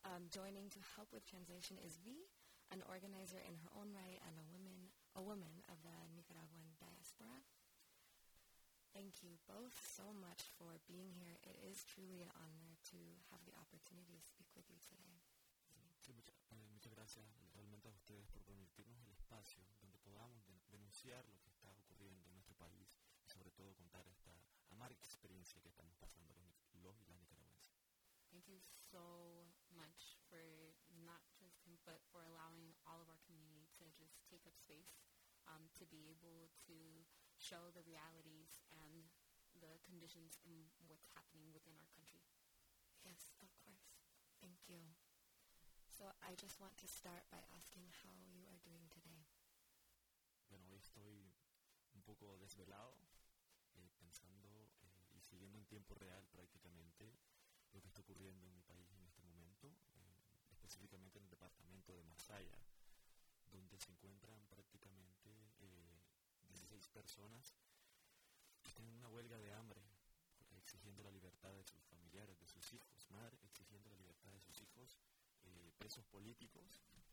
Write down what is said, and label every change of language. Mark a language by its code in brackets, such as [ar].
[en] Joining to help with translation is V, an organizer in her own right and a woman of the Nicaraguan diaspora. Thank you both so much for being here. It is truly an honor to have the opportunity to speak with you today. [es] Sí, muchas gracias realmente a ustedes por permitirnos el espacio donde podamos denunciar lo que está ocurriendo en nuestro país y sobre todo contar esta amarga experiencia que estamos pasando los y las nicaragüenses. [en] Thank you so much for not just him, but for allowing all of our community to just take up space to be able to show the realities and the conditions and what's happening within our country. Yes, of course. Thank you. So I just want to start by asking how you are doing today. [es] Bueno, hoy estoy un poco desvelado, pensando y siguiendo en tiempo real prácticamente lo que está ocurriendo en mi país en este momento, específicamente en el departamento de Masaya, donde se encuentran prácticamente 16 personas que están en una huelga de hambre, exigiendo la libertad de sus familiares, de sus hijos, madre, exigiendo la libertad de sus hijos, presos políticos,